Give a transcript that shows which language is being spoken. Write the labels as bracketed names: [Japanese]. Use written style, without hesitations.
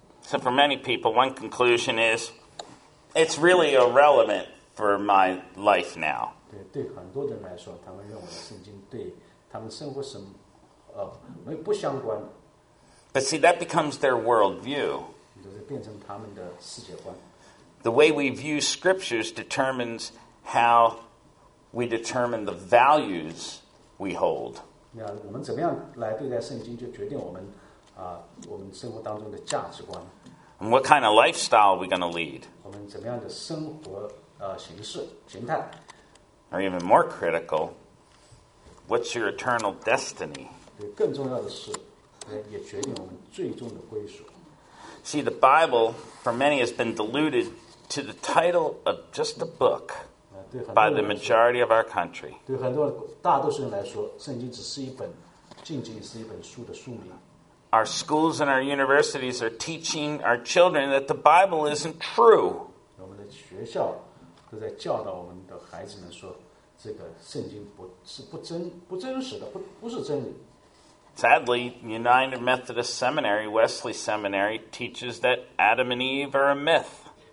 [English] So for many people, one conclusion is, it's really irrelevant for my life now. [Chinese] 对很多人来说，他们认为圣经对他们生活什么，没不相关。 [English] But see, that becomes their worldview. [Chinese] 就是变成他们的世界观。 [English] The way we view scriptures determines how we determine the values we hold. [Chinese] 我们怎么样来对待圣经，就决定我们我们生活当中的价值观。 [English] And what kind of lifestyle are we going to lead? [Chinese] 我们怎么样的生活形式形态？ [English] Or even more critical, what's your eternal destiny? [Chinese] 更重要的是，也决定我们最终的归属。 [English] See, the Bible, for many, has been diluted to the title of just a book by the majority of our country. [Chinese] 对很多大多数人来说，圣经只是一本，仅仅是一本书的书名。 [English] Our schools and our universities are teaching our children that the Bible isn't true. [Chinese] 我们的学校都在教导我们的孩子们说，这个圣经不是真理。 [English] Sadly, United Methodist Seminary, Wesley Seminary, teaches that Adam and Eve are a myth.